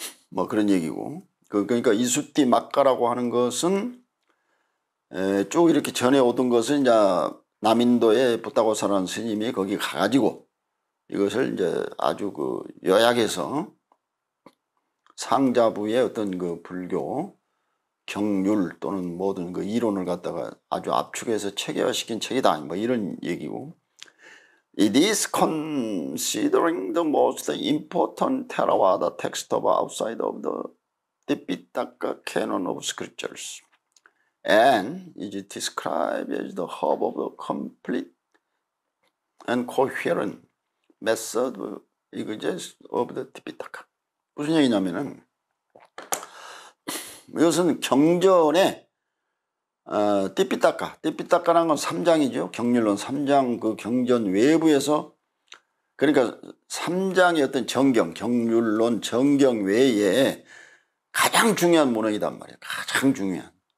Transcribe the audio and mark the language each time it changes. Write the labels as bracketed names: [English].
[Korean] 뭐 그런 얘기고. 그러니까 이수띠 막가라고 하는 것은 쭉 이렇게 전해 오던 것은 이제 남인도에 부다고사라는 스님이 거기 가가지고 이것을 이제 아주 그 요약해서 상자부의 어떤 그 불교 경률 또는 모든 그 이론을 갖다가 아주 압축해서 체계화시킨 책이다. 뭐 이런 얘기고. [English] It is considering the most important Theravada text of outside of the Tipitaka canon of scriptures. And it is described as the hub of a complete and coherent method of the Tipitaka. [Korean] 무슨 얘기냐면은, 이것은 경전에, 띠피타카란 건 3장이죠. 경률론 3장 그 경전 외부에서, 그러니까 3장의 어떤 정경, 경률론 정경 외에 가장 중요한 문헌이단 말이에요. 가장 중요한.